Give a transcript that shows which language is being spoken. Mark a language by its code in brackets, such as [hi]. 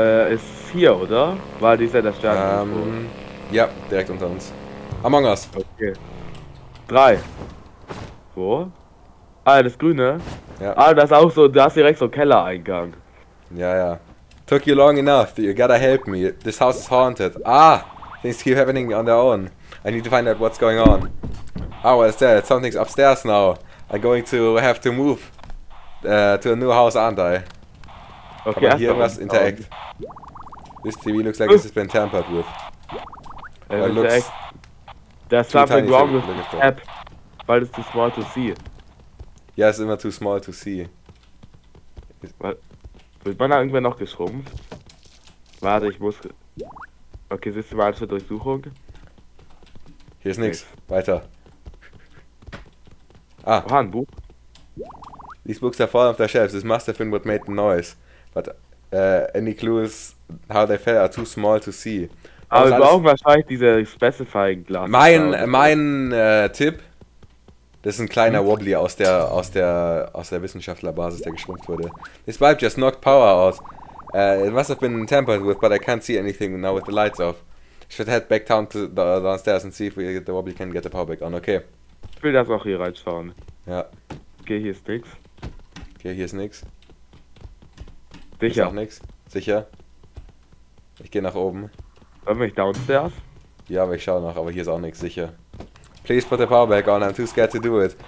[de] Ist hier, oder? War dieser das Stern? Ja, direkt unter uns. Among Us. Okay. 3. Wo? Ah, das Grüne. Ja. Ah, das ist auch so, da ist direkt so Kellereingang. [en] Ja, ja. Took you long enough. You gotta help me. This house is haunted. Ah! Things keep happening on their own. I need to find out what's going on. Oh, what is that? Something's upstairs now. I'm going to have to move to a new house, aren't I? Okay, here must interact. This TV looks like it's been tampered with. There's something wrong with the app, but it's too small to see. [de] Ja, es ist immer [en] too small to see. [de] Wird man da irgendwann noch geschrumpft? Warte, ich muss... Okay, siehst du mal eine Durchsuchung? Hier ist nichts. Weiter. Ah. Oha, ein Buch. [en] These books are fallen off the shelves. This must have been what made the noise. But any clues how they fell are too small to see. [de] Aber wir brauchen wahrscheinlich diese Specifying-Glas. Mein Tipp... Das ist ein kleiner Wobbly aus der Wissenschaftlerbasis, der geschrumpft wurde. [en] This bulb just knocked power out. It must have been tampered with, but I can't see anything now with the lights off. Should head back down to the downstairs and see if the Wobbly can get the power back on. Okay. [de] Ich will das auch hier reinschauen. Ja. Okay, hier ist nix. Sicher. Ist auch nix. Ich geh nach oben. Wollen wir nicht downstairs? Ja, aber ich schau noch, aber hier ist auch nix, sicher. [en] Please put the power back on, I'm too scared to do it.